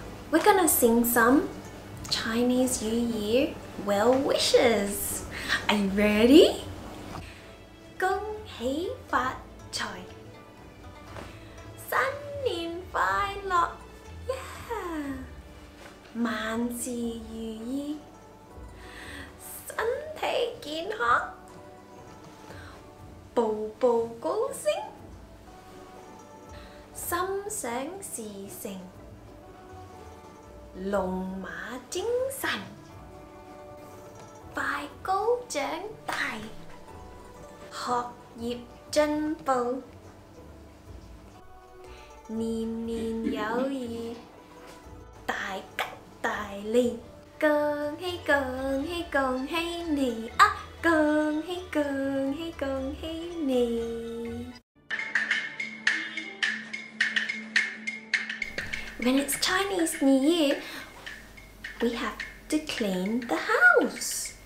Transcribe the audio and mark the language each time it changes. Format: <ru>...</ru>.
<en>We're gonna sing some Chinese New Year well wishes. Are you ready?</en> <zh>恭喜发财, 新年快乐, yeah, 万事如意, 身体健康, 步步高升, 心想事成, 龙马精神, 快高长大, 学业进步, 年年有余, 大吉大利, 恭喜恭喜恭喜你, 恭喜恭喜恭喜你.</zh> <en>When it's Chinese New Year, we have to clean the house.</en>